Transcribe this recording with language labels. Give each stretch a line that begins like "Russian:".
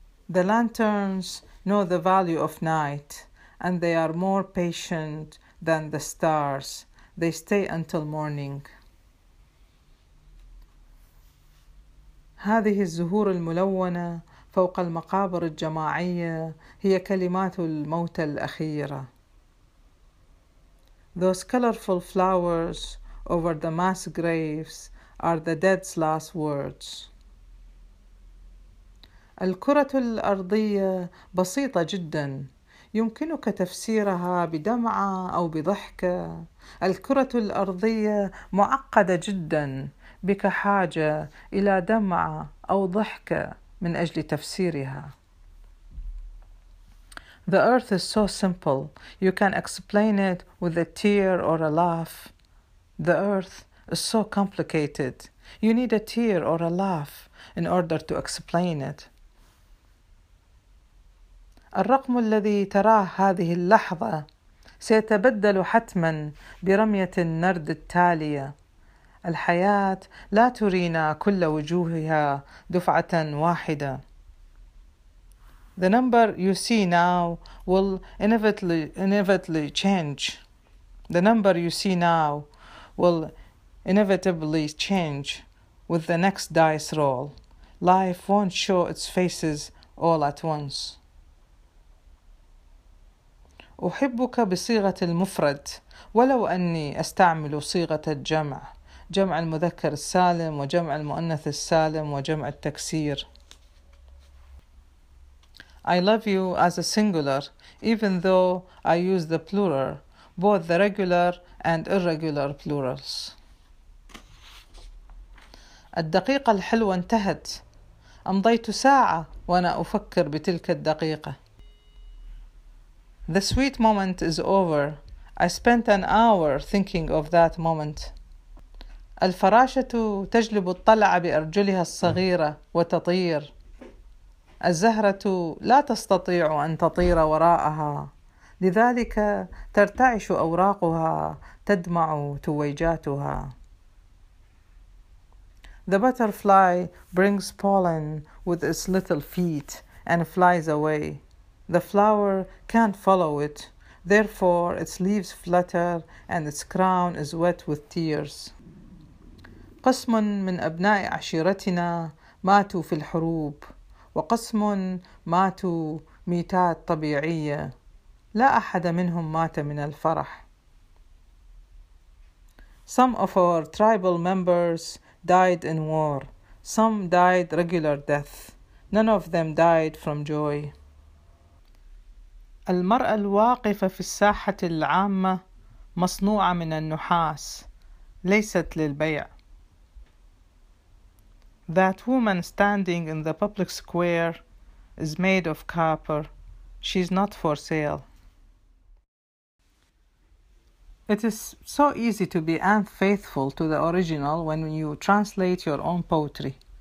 English: The lanterns know the value of night and they are more patient than the stars. They stay until morning.
Arabic: هذه الزهور الملونة فوق المقابر الجماعية هي كلمات الموتى الأخيرة.
English: Those colorful flowers over the mass graves are the dead's last words.
Arabic: الكرة الأرضية بسيطة جدا، يمكنك تفسيرها بدمعة أو بضحكة. الكرة الأرضية معقدة جدا، بك حاجة إلى دمعة أو ضحكة من أجل تفسيرها.
English: The earth is so simple, you can explain it with a tear or a laugh. The earth is so complicated, you need a tear or a laugh in order to explain it.
Arabic: الرقم الذي تراه هذه اللحظة سيتبدل حتما برمية النرد التالية. الحياة لا ترينا كل وجوهها دفعة واحدة.
English: The number you see now will inevitably change. The number you see now will inevitably change with the next dice roll. Life won't show its faces all at once.
Arabic: أحبك بصيغة المفرد ولو أني أستعمل صيغة الجمع، جمع المذكر السالم وجمع المؤنث السالم وجمع التكسير.
English: I love you as a singular even though I use the plural, both the regular and irregular plurals.
Arabic: الدقيقة الحلوة انتهت، أمضيت ساعة وأنا أفكر بتلك الدقيقة.
English: The sweet moment is over. I spent an hour thinking of that moment.
Arabic: الفراشة تجلب الطلع بأرجلها الصغيرة وتطير. الزهرة لا تستطيع أن تطير وراءها، لذلك ترتعش أوراقها، تدمع تويجاتها.
English: The butterfly brings pollen with its little feet and flies away. The flower can't follow it, therefore its leaves flutter and its crown is wet with tears.
Arabic: قسم من أبناء عشيرتنا ماتوا في الحروب، وقسم ماتوا ميتات طبيعية. لا أحد منهم مات من الفرح.
English: Some of our tribal members died in war. Some died regular death. None of them died from joy.
Arabic: المرأة الواقفة في الساحة العامة مصنوعة من النحاس، ليست للبيع.
English: That woman standing in the public square is made of copper. She's not for sale. It is so easy to be unfaithful to the original when you translate your own poetry.